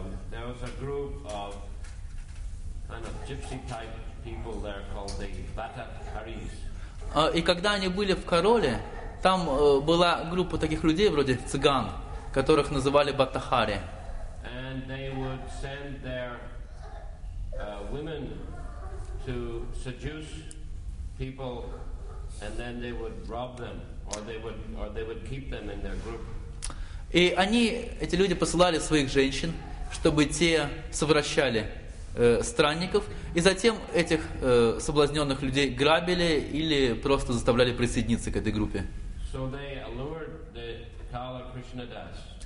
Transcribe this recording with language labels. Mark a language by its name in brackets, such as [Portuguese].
[English] there was a group of kind of gypsy type people there called the Batak Haris. [Russian] И когда они были в Кароле, там была группа таких людей, вроде цыган, которых называли Батахари. [English] And they would send their women to seduce people, and then they would rob them, or they would keep them in their group. [Russian] И они, эти люди, посылали своих женщин, чтобы те совращали странников, и затем этих соблазненных людей грабили или просто заставляли присоединиться к этой группе. [English] So they allured the Kala Krishnadas.